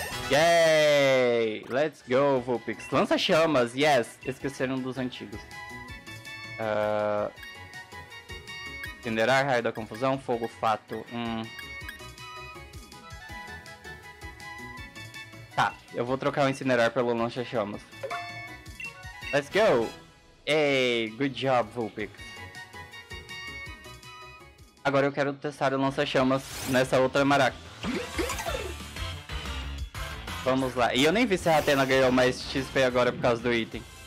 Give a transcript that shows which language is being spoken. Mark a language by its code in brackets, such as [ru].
[en] Yay! Let's go, Vulpix. [pt] Lança chamas. Yes, esqueceram dos antigos. Incinerar, raio da confusão, fogo, fato. Tá, eu vou trocar o incinerar pelo lança-chamas. [en] Let's go! Hey, good job, Vulpix. [pt] Agora eu quero testar o lança-chamas nessa outra maraca. Vamos lá. E eu nem vi se a Athena ganhou mais XP agora por causa do item.